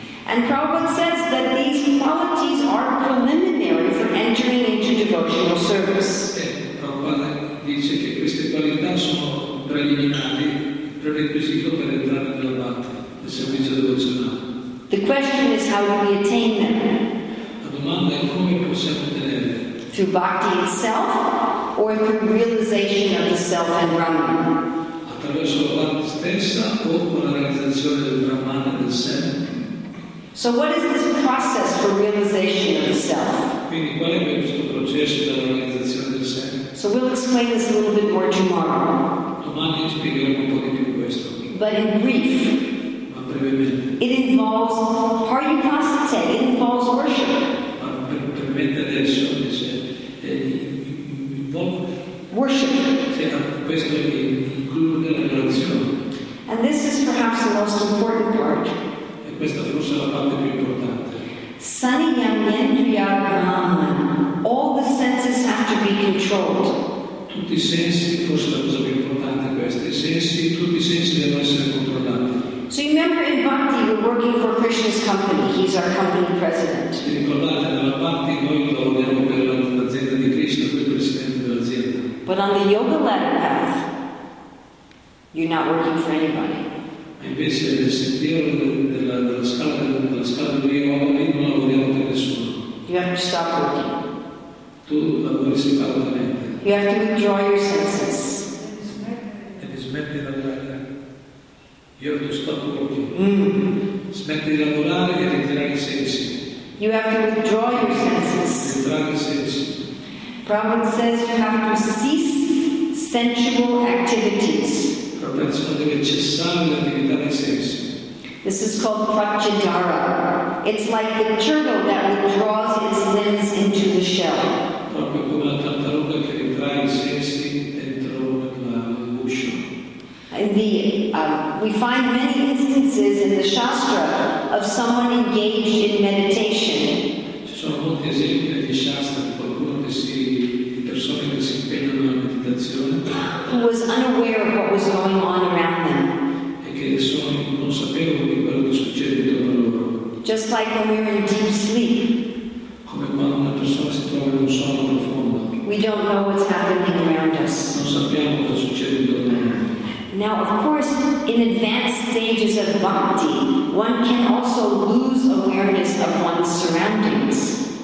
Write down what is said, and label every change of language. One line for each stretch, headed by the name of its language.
English: And Prabhupada says that these qualities are preliminary for entering into devotional service.
Italian: Prabhupada dice che queste qualità sono preliminari, prerequisito per entrare nella bhakti, nel servizio devozionale.
English: The question is how do we attain them?
Italian: La domanda è come possiamo ottenerle?
English: Through bhakti itself or through realization of the self and Brahman?
Italian: Attraverso la bhakti stessa o con la realizzazione del Brahman e del sé?
English: So what is this process for realization of the self?
Italian: Quindi qual è questo processo della realizzazione del sé?
English: So we'll explain this a little bit more tomorrow.
Italian: Domani spiegheremo un po' di più questo.
English: But in brief,
Italian: ma brevemente,
English: it involves paryuprasate, it involves worship.
Italian: Ma brevemente adesso dice, involve
English: worship.
Italian: Questo include la relazione.
English: And this is perhaps the most important part.
Italian: Questa forse è la parte più importante.
Sanskrit: Sanyam yendriya brahman.
English: All the senses have to be controlled.
Italian: Tutti i sensi, forse la cosa più importante è questa. I sensi, tutti i sensi devono essere controllati.
English: So you remember in bhakti we're working for Krishna's company. He's our company president.
Italian: Ti ricordate nella bhakti noi lavoriamo per l'azienda di Krishna, per il presidente dell'azienda.
English: But on the yoga ladder path, you're not working for anybody.
Italian: Invece nel sentiero della scala di yoga lì non lavoriamo per nessuno.
English: You have to stop working.
Italian: Tu lavori separatamente.
English: You have to withdraw your senses.
Italian: E smetti di lavorare.
English: You have to stop working.
Italian: Smetti di lavorare e ritirare i sensi.
English: You have to withdraw your senses.
Italian: Ritirare i sensi.
English: Prabhupada says you have to cease sensual activities.
Italian: Deve cessare l'attività dei sensi.
English: This is called prachidara. It's like the turtle that withdraws its limbs into the shell.
Italian: Proprio come la tartaruga che ritrae i sensi dentro il guscio.
English: We find many instances in the shastra of someone engaged in meditation.
Italian: Ci sono molti esempi nel shastra di qualcuno che si di persone che si impegnano nella meditazione.
English: Who was unaware of what was going on around them.
Italian: E che non sapevano di quello che succede intorno a loro.
English: Just like when we're in deep sleep.
Italian: Come quando una persona si trova in un sonno profondo.
English: We don't know what's happening around us.
Italian: Non sappiamo cosa succede intorno a noi.
English: Now, of course, in advanced stages of bhakti, one can also lose awareness of one's surroundings.